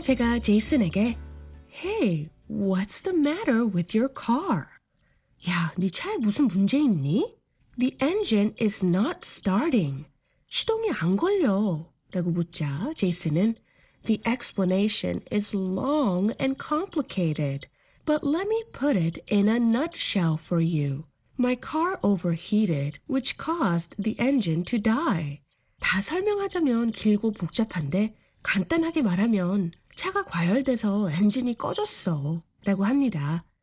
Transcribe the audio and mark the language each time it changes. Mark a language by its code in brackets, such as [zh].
[ko] 제가 제이슨에게 [en] Hey, what's the matter with your car? [ko] 야, 네 차에 무슨 문제 있니? [en] The engine is not starting. [ko] 시동이 안 걸려. 라고 묻자 제이슨은 [en] The explanation is long and complicated. But let me put it in a nutshell for you. My car overheated, which caused the engine to die. [ko] 다 설명하자면 길고 복잡한데 간단하게 말하면 차가 과열돼서 엔진이 꺼졌어 라고 합니다.